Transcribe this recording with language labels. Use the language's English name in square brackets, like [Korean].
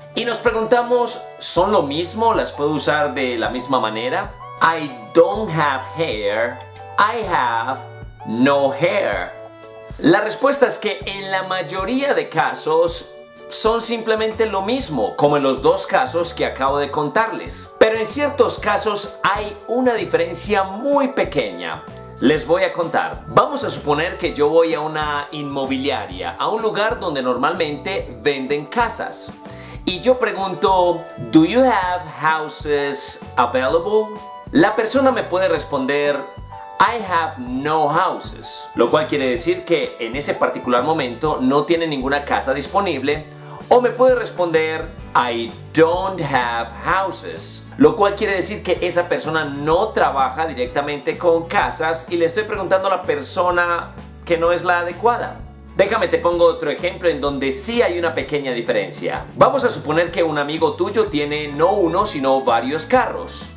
[Spanish] Y nos preguntamos, ¿son lo mismo? ¿Las puedo usar de la misma manera? [English] I don't have hair, I have no hair. [Spanish] La respuesta es que en la mayoría de casos son simplemente lo mismo, como en los dos casos que acabo de contarles. Pero en ciertos casos hay una diferencia muy pequeña. Les voy a contar. Vamos a suponer que yo voy a una inmobiliaria, a un lugar donde normalmente venden casas. Y yo pregunto, [English] ¿Do you have houses available? [Spanish] La persona me puede responder, [English] I have no houses. [Spanish] Lo cual quiere decir que en ese particular momento no tiene ninguna casa disponible. O me puede responder, [English] I don't have houses. [Spanish] Lo cual quiere decir que esa persona no trabaja directamente con casas y le estoy preguntando a la persona que no es la adecuada. Déjame te pongo otro ejemplo en donde sí hay una pequeña diferencia. Vamos a suponer que un amigo tuyo tiene no uno, sino varios carros.